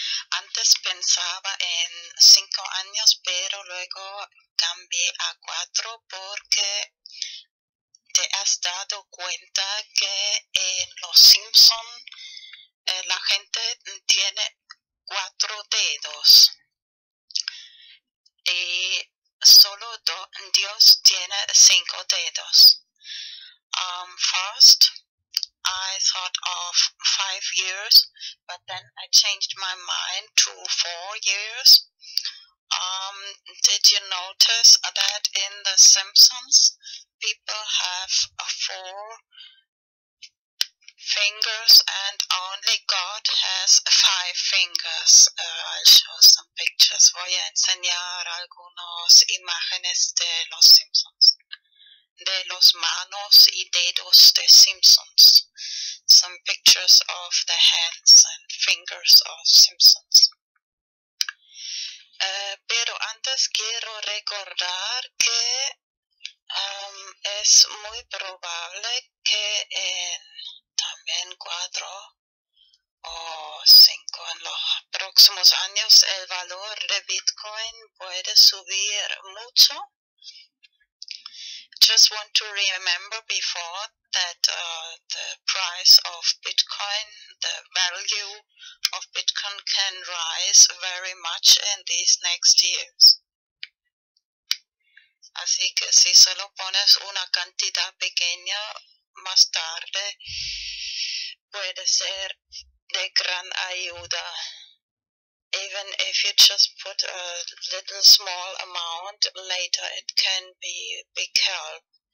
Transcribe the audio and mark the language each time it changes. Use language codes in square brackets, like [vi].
[es] Antes pensaba en 5 años, pero luego cambié a 4 porque te has dado cuenta que en los Simpson la gente tiene 4 dedos y solo Dios tiene 5 dedos. [en] First, I thought of 5 years, but then I changed my mind to 4 years. Did you notice that in the Simpsons, people have 4 fingers and only God has 5 fingers. I'll show some pictures. [es] Voy a enseñar algunas imágenes de los Simpsons, de los manos y dedos de Simpsons. [en] Some pictures of the hands and fingers of Simpsons. [es] Pero antes quiero recordar que es muy probable que en también 4 o 5 en los próximos años el valor de Bitcoin puede subir mucho. [en] Just want to remember before that the price of Bitcoin, the value of Bitcoin can rise very much in these next years. [es] Así que si solo pones una cantidad pequeña, más tarde puede ser de gran ayuda. [en] Even if you just put a little small amount, later it can be big help.